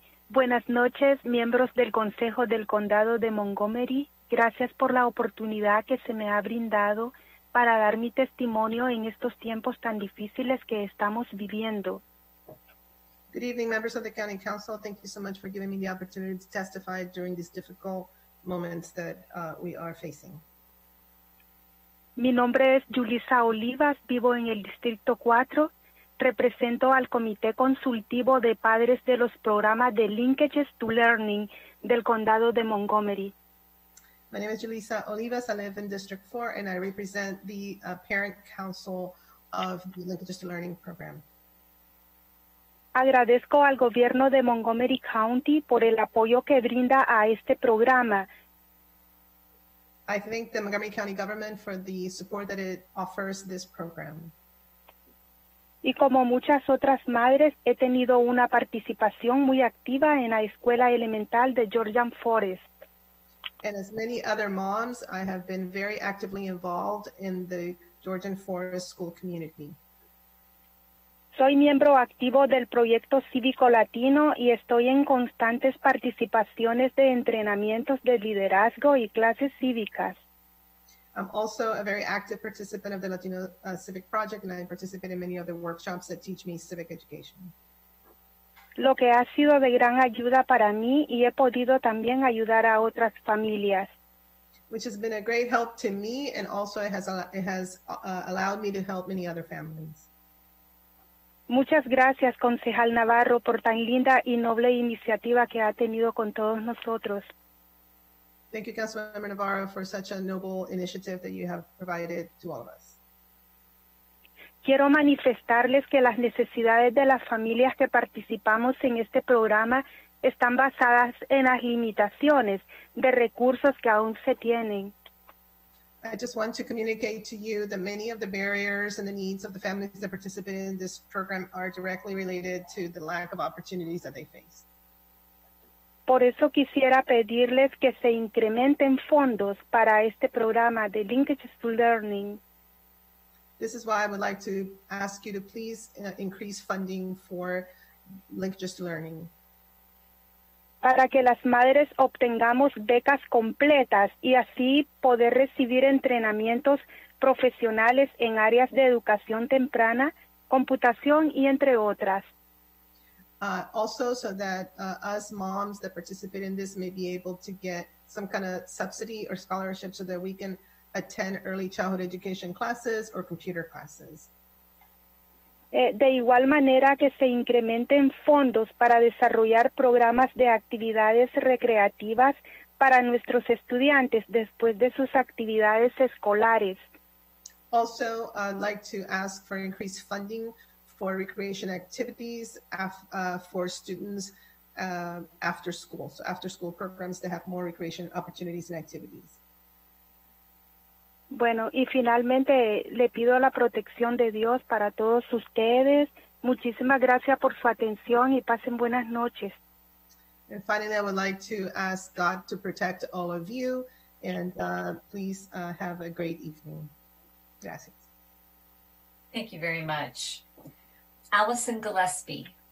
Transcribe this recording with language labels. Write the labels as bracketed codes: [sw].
[es] Buenas noches, miembros del Consejo del Condado de Montgomery. Gracias por la oportunidad que se me ha brindado para dar mi testimonio en estos tiempos tan difíciles que estamos viviendo. [en] Good evening, members of the County Council. Thank you so much for giving me the opportunity to testify during these difficult moments that we are facing. [es] Mi nombre es Julissa Olivas. Vivo en el Distrito 4. Represento al Comité Consultivo de Padres de los Programas de Linkages to Learning del Condado de Montgomery. [en] My name is Julissa Olivas. I live in District 4, and I represent the Parent Council of the Linkages to Learning Program. [es] Agradezco al gobierno de Montgomery County por el apoyo que brinda a este programa. [en] I thank the Montgomery County government for the support that it offers this program. [es] Y como muchas otras madres, he tenido una participación muy activa en la escuela elemental de Georgian Forest. [en] And as many other moms, I have been very actively involved in the Georgian Forest school community. [es] Soy miembro activo del Proyecto Cívico Latino y estoy en constantes participaciones de entrenamientos de liderazgo y clases cívicas. [en] I'm also a very active participant of the Latino Civic Project, and I participate in many other workshops that teach me civic education. [es] Lo que ha sido de gran ayuda para mí y he podido también ayudar a otras familias. [en] Which has been a great help to me, and also it has allowed me to help many other families. [es] Muchas gracias, concejal Navarro, por tan linda y noble iniciativa que ha tenido con todos nosotros. [en] Thank you, Councilmember Navarro, for such a noble initiative that you have provided to all of us. [es] Quiero manifestarles que las necesidades de las familias que participamos en este programa están basadas en las limitaciones de recursos que aún se tienen. [en] I just want to communicate to you that many of the barriers and the needs of the families that participate in this program are directly related to the lack of opportunities that they face. [es] Por eso quisiera pedirles que se incrementen fondos para este programa de Linkages to Learning. [en] This is why I would like to ask you to please increase funding for Linkages to Learning. [es] Para que las madres obtengamos becas completas y así poder recibir entrenamientos profesionales en áreas de educación temprana, computación y entre otras. [en] Also so that us moms that participate in this may be able to get some kind of subsidy or scholarship so that we can attend early childhood education classes or computer classes. [es] De igual manera que se incrementen fondos para desarrollar programas de actividades recreativas para nuestros estudiantes después de sus actividades escolares. [en] Also, I'd like to ask for increased funding for recreation activities for students after school. So after school programs to have more recreation opportunities and activities. [es] Bueno, y finalmente le pido la protección de Dios para todos ustedes. Muchísimas gracias por su atención y pasen buenas noches. [en] And finally, I would like to ask God to protect all of you and please have a great evening. [es] Gracias. [en] Thank you very much. Allison Gillespie.